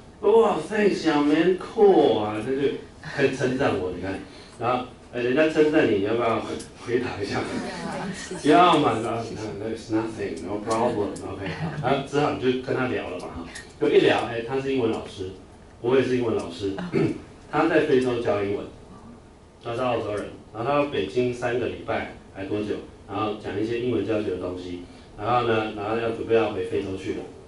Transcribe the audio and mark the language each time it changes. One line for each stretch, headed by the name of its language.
Chinese: 哇、
English: oh, ，Thanks, young man, cool
Chinese: 啊，他就很称赞我，你看，然后人家称赞你，你要不要回答一下？要嘛，然后
English: That's nothing, no problem, OK。
Chinese: 然后只好就跟他聊了嘛，就一聊，哎，他是英文老师，我也是英文老师，他在非洲教英文，他是澳洲人，然后他到北京三个礼拜，还多久？然后讲一些英文教学的东西，然后呢，然后要准备要回非洲去了。